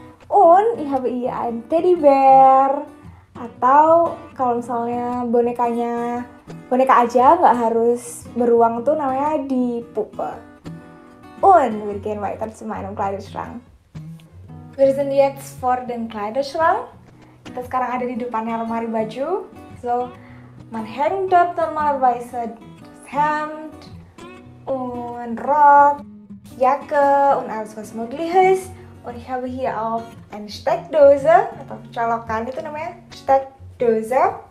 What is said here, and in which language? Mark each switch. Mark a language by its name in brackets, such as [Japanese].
[German] Und ich habe hier ein Teddy Bear. [Indonesian] Atau kalau misalnya bonekanya boneka aja, nggak harus beruang tuh, namanya di Puppe. [German] Und wir gehen weiter zu meinem Kleiderschrank. Wir sind jetzt vor dem Kleiderschrank. [Indonesian] Kita sekarang ada di depannya lemari baju. [German] So, man hängt dort normalerweise Hemd und Rock, Jacke und alles was möglich ist. Und ich habe hier auch eine Steckdose, [Indonesian] atau colokan itu namanya, [German] Steckdose.